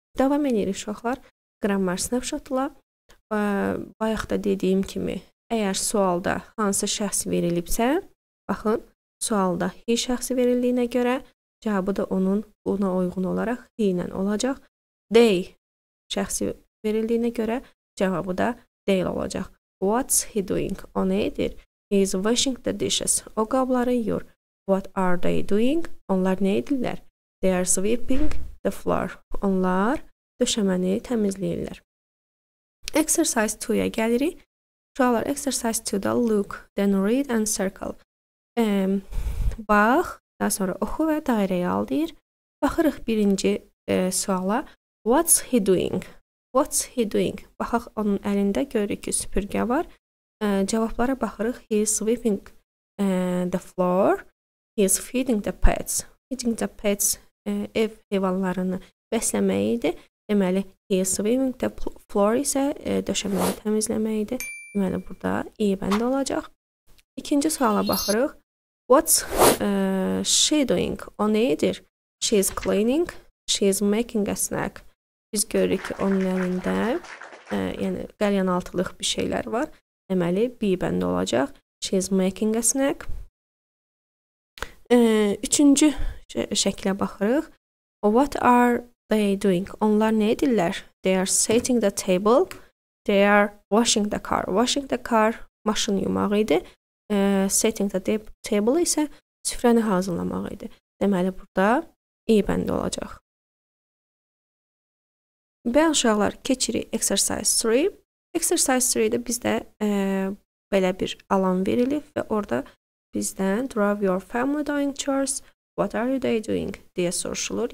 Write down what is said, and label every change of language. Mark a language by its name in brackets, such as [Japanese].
[Azerbaijani] Davam edirik uşaqlar, qrammar snapshot-la. Bayaq da dediyim kimi, əgər sualda hansı şəxs verilibsə, baxın, sualda he şəxsi verildiyinə görə cavabı da onun ona uyğun olaraq he ilə olacaq. They şəxsi verildiyinə görə cavabı da they olacaq. [English] What's he doing? [Azerbaijani] O nə edir? [English] He is washing the dishes. [Azerbaijani] O qabları yuyur. [English] What are they doing? [Azerbaijani] Onlar nə edirlər? [English] They are sweeping the floor. [Azerbaijani] Onlar döşəməni təmizləyirlər. Exercise 2-ya gəlirik. Uşaqlar, exercise 2-da [English] look, then read and circle. [Azerbaijani] Bax, daha sonra oxu və dairəyə al deyir. Baxırıq birinci suala. [English] What's he doing? What's he doing? [Azerbaijani] Baxaq, onun əlində görürük ki, süpürgə var. Cavablara baxırıq. [English] He is sweeping the floor. He is feeding the pets. Feeding the pets [Azerbaijani] ev heyvanlarını bəsləmək idi. Deməli, [English] he is sweeping the floor [Azerbaijani] isə döşəməni təmizləmək idi. Deməli, burada E bəndə olacaq. İkinci suala baxırıq. [English] What's she doing? [Azerbaijani] O nedir? [English] She is cleaning. She is making a snack. [Azerbaijani] Biz görürük ki onun əlində yəni qəlyanaltılıq bir şeylər var. Deməli B bəndə olacaq. [English] She is making a snack. [Azerbaijani] Üçüncü şəklə baxırıq. [English] What are they doing? [Azerbaijani] Onlar nə edirlər? [English] They are setting the table. They are washing the car. Washing the car [Azerbaijani] maşın yumaq idi. [English] Setting the table [Azerbaijani] isə süfrəni hazırlamaq idi. Deməli burada E bəndə olacaq. Bəli uşaqlar, keçirik exercise 3. Exercise 3-də bizdə belə bir alan verilib və orada bizdən [English] draw your family doing chores. What are they doing? [Azerbaijani] Deyə soruşulur.